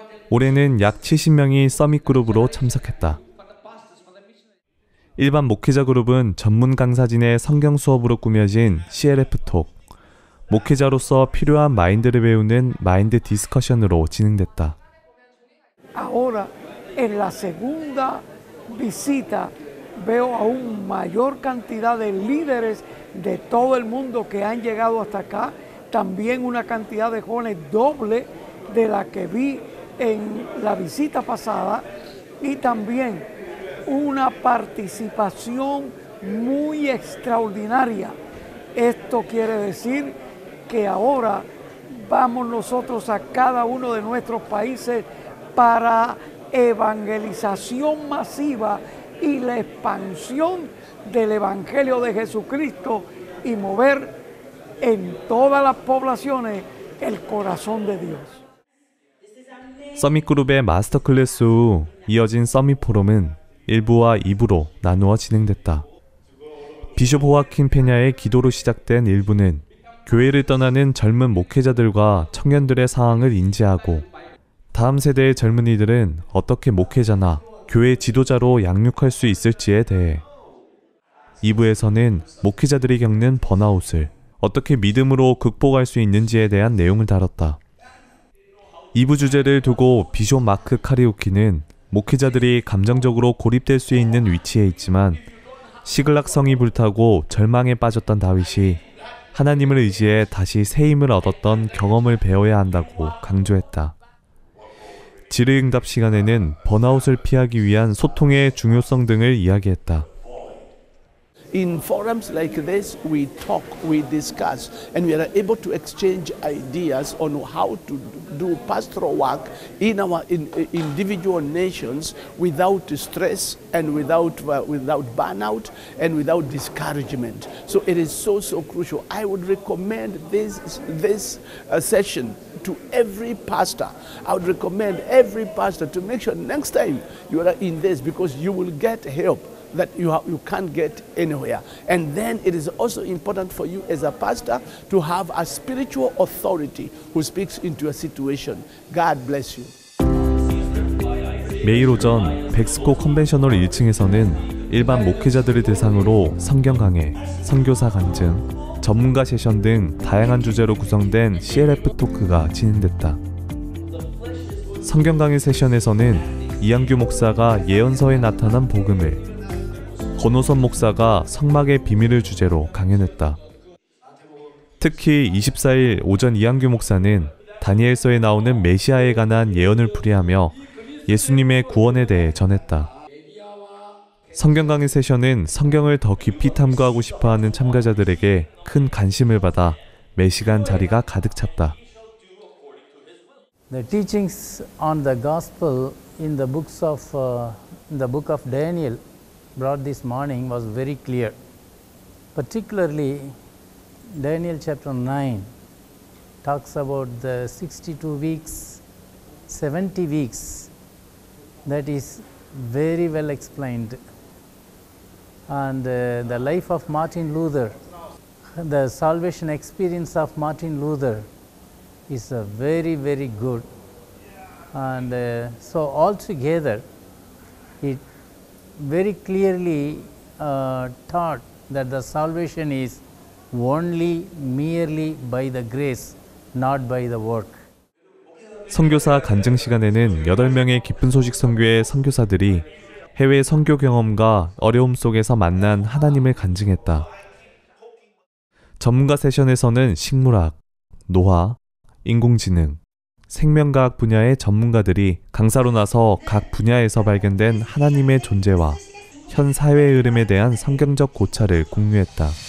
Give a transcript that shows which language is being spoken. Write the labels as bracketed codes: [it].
[ko] 올해는 약 70명이 서밋 그룹으로 참석했다. 일반 목회자 그룹은 전문 강사진의 성경 수업으로 꾸며진 CLF톡, 목회자로서 필요한 마인드를 배우는 마인드 디스커션으로 진행됐다. [es] Ahora es la segunda visita veo a un mayor cantidad de líderes de todo el mundo que han llegado hasta acá, también una cantidad de jóvenes doble de la que vi en la visita pasada, y también una participación muy extraordinaria. Esto quiere decir que ahora vamos nosotros a cada uno de nuestros países para evangelización masiva y la expansión del Evangelio de Jesucristo y mover en todas las poblaciones el corazón de Dios. [ko] 서밋 그룹의 마스터 클래스 후 이어진 서밋 포럼은 1부와 2부로 나누어 진행됐다. 비숍 호아킨 페냐의 기도로 시작된 1부는 교회를 떠나는 젊은 목회자들과 청년들의 상황을 인지하고 다음 세대의 젊은이들은 어떻게 목회자나 교회 지도자로 양육할 수 있을지에 대해, 2부에서는 목회자들이 겪는 번아웃을 어떻게 믿음으로 극복할 수 있는지에 대한 내용을 다뤘다. 2부 주제를 두고 비숍 마크 카리오키는 목회자들이 감정적으로 고립될 수 있는 위치에 있지만 시글락성이 불타고 절망에 빠졌던 다윗이 하나님을 의지해 다시 새 힘을 얻었던 경험을 배워야 한다고 강조했다. 질의응답 시간에는 번아웃을 피하기 위한 소통의 중요성 등을 이야기했다. [en] In forums like this, we talk, we discuss, and we are able to exchange ideas on how to do pastoral work in our individual nations without stress and without burnout and without discouragement. So it is so, so crucial. I would recommend this session to every pastor. I would recommend every pastor to make sure next time you are in this, because you will get help that you can't get anywhere. And then it is also important for you as a pastor to have a spiritual authority who speaks into a situation. God bless you. [ko] 매일 오전 백스코 컨벤셔널 1층에서는 일반 목회자들을 대상으로 성경 강해, 선교사 간증, 전문가 세션 등 다양한 주제로 구성된 CLF 토크가 진행됐다. 성경 강해 세션에서는 이한규 목사가 예언서에 나타난 복음을, 권호선 목사가 성막의 비밀을 주제로 강연했다. 특히 24일 오전 이한규 목사는 다니엘서에 나오는 메시아에 관한 예언을 풀이하며 예수님의 구원에 대해 전했다. 성경 강의 세션은 성경을 더 깊이 탐구하고 싶어하는 참가자들에게 큰 관심을 받아 매시간 자리가 가득 찼다. [en] The teachings on the gospel in the books of the book of Daniel brought this morning was very clear, particularly Daniel chapter 9 talks about the 62 weeks, 70 weeks, that is very well explained. And the life of Martin Luther, the salvation experience of Martin Luther is very, very good. And so altogether, it very clearly taught that the salvation is only merely by the grace, not by the work. [ko] 선교사 간증 시간에는 8명의 깊은 소식 선교의 선교사들이 해외 선교 경험과 어려움 속에서 만난 하나님을 간증했다. 전문가 세션에서는 식물학, 노화, 인공지능, 생명과학 분야의 전문가들이 강사로 나서 각 분야에서 발견된 하나님의 존재와 현 사회의 흐름에 대한 성경적 고찰을 공유했다.